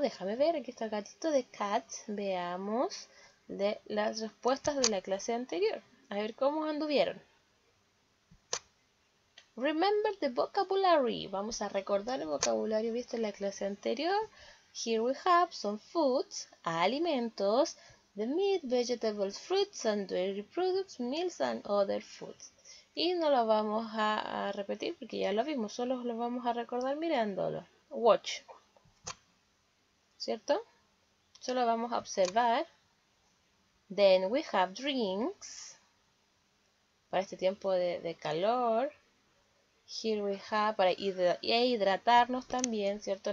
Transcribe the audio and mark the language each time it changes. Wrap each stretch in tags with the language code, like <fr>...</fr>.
<es>Déjame ver, aquí está el gatito de Cat. Veamos de las respuestas de la clase anterior. A ver cómo anduvieron.</es> <en>Remember the vocabulary.</en> <es>Vamos a recordar el vocabulario visto en la clase anterior.</es> <en>Here we have some foods, alimentos. The meat, vegetables, fruits and dairy products, meals and other foods.</en> <es>Y no lo vamos a repetir porque ya lo vimos, solo lo vamos a recordar mirándolo. Watch. ¿Cierto? Solo vamos a observar.</es> <en>Then we have drinks.</en> <es>Para este tiempo de calor.</es> <en>Here we have,</en> <es>para hidratarnos también, ¿cierto?</es>